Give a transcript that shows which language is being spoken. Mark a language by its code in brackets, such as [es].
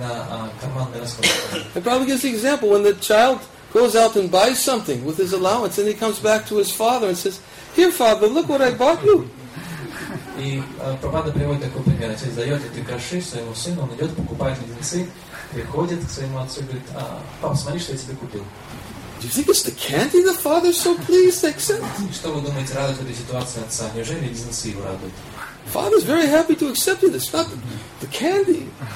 [en] And Prabhupada gives the example when the child goes out and buys something with his allowance and he comes back to his father and says, "Here, father, look what I bought you." [ru] И Прабхупада приводит такой пример. Отец дает эти гроши своему сыну, он идет, покупает леденцы, приходит к своему отцу и говорит, "Пап, смотри, что я тебе купил." [en] Do you think it's the candy the father so pleased accepts? [ru] Что вы думаете, радует эта ситуация отца? Неужели леденцы его радуют? [en] Father is very happy to accept it. It's not the candy.